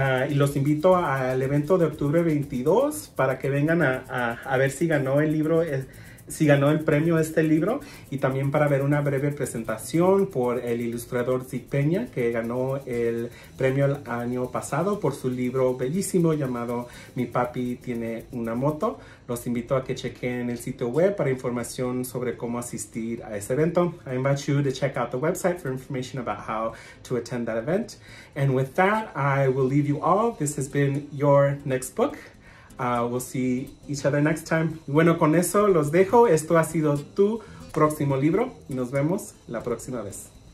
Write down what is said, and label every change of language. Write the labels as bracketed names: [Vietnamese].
[Spanish] Y los invito al evento de octubre 22 para que vengan a ver si ganó el libro, si ganó el premio este libro, y también para ver una breve presentación por el ilustrador Zeke Pena, que ganó el premio el año pasado por su libro bellísimo llamado Mi Papi Tiene Una Moto. Los invito a que chequen el sitio web para información sobre cómo asistir a ese evento. [English] I invite you to check out the website for information about how to attend that event. And with that, I will leave you all. This has been your next book. We'll see each other next time. [Spanish] Bueno, con eso los dejo. Esto ha sido tu próximo libro y nos vemos la próxima vez.